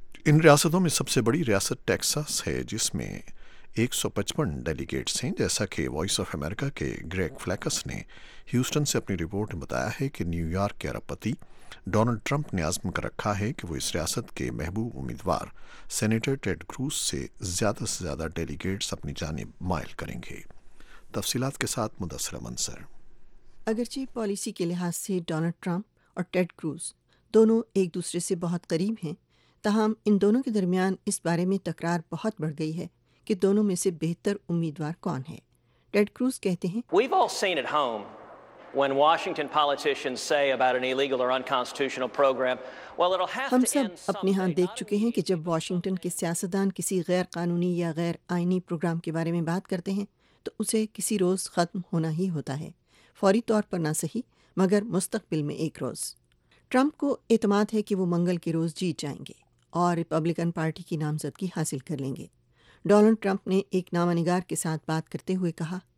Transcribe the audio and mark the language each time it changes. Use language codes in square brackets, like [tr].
[ur] ان ریاستوں میں سب سے بڑی ریاست ٹیکساس ہے، جس میں 155 ڈیلیگیٹس ہیں۔ جیسا کہ وائس آف امریکہ کے گریگ فلیکس نے ہیوسٹن سے اپنی رپورٹ میں بتایا ہے کہ نیو یارک کے ارب پتی ڈونلڈ ٹرمپ نے عزم کر رکھا ہے کہ وہ اس ریاست کے محبوب امیدوار سینیٹر ٹیڈ کروز سے زیادہ سے زیادہ ڈیلیگیٹس اپنی جانب مائل کریں گے۔ تفصیلات کے ساتھ مدثر منصر۔ اگرچہ پالیسی کے لحاظ سے ڈونلڈ ٹرمپ اور ٹیڈ کروز دونوں ایک دوسرے سے بہت قریب ہیں، تاہم ان دونوں کے درمیان اس بارے میں تکرار بہت بڑھ گئی ہے کہ دونوں میں سے بہتر امیدوار کون ہے۔ ٹیڈ کروز کہتے ہیں، [en] We've all seen at home when Washington politicians say about an illegal or unconstitutional program, well, it'll have to end [ur] ہم سب اپنے ہاں دیکھ چکے ہیں کہ جب واشنگٹن کے سیاستدان کسی غیر قانونی یا غیر آئینی پروگرام کے بارے میں بات کرتے ہیں تو اسے کسی روز ختم ہونا ہی ہوتا ہے، فوری طور پر نہ صحیح مگر مستقبل میں ایک روز۔ ٹرمپ کو اعتماد ہے کہ وہ منگل کے روز جیت جائیں گے اور ریپبلکن پارٹی کی نامزدگی حاصل کر لیں گے۔ ڈونلڈ ٹرمپ نے ایک نامہ نگار کے ساتھ بات کرتے ہوئے کہا،